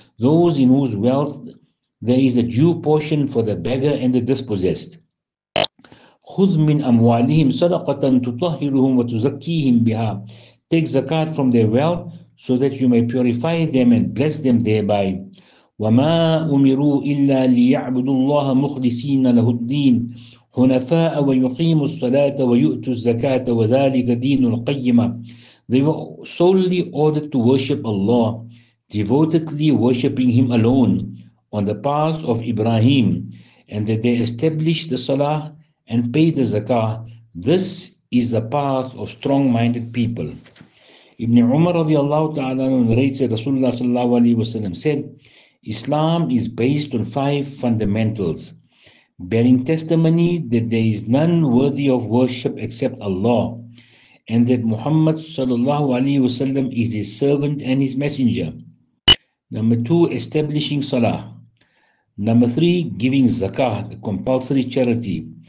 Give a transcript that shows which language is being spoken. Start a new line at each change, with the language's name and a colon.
English: Those in whose wealth there is a due portion for the beggar and the dispossessed.
Arabic: خُذْ مِنْ أَمْوَالِهِمْ صَدَقَةً تُطَهِّرُهُمْ وَتُزَكِّيهِمْ بِهَا.
English: Take zakat from their wealth so that you may purify them and bless them thereby.
Arabic: وَمَا أُمِرُوا إِلَّا لِيَعْبُدُوا اللَّهَ مُخْلِصِينَ لَهُ الدِّينَ حنفاء ويقيموا الصلاة ويؤتوا الزكاة وذلك دين القيمة.
English: They were solely ordered to worship Allah, devotedly worshipping Him alone on the path of Ibrahim, and that they establish the Salah and pay the Zakah. This is the path of strong-minded people. Ibn Umar
Arabic: رضي الله تعالى عنه
English: narrates that Rasulullah
Arabic: صلى الله عليه وسلم
English: said, Islam is based on five fundamentals, bearing testimony that there is none worthy of worship except Allah, and that Muhammad sallallahu alaihi wasallam is his servant and his messenger. Number two, establishing salah. Number three, giving zakah, the compulsory charity.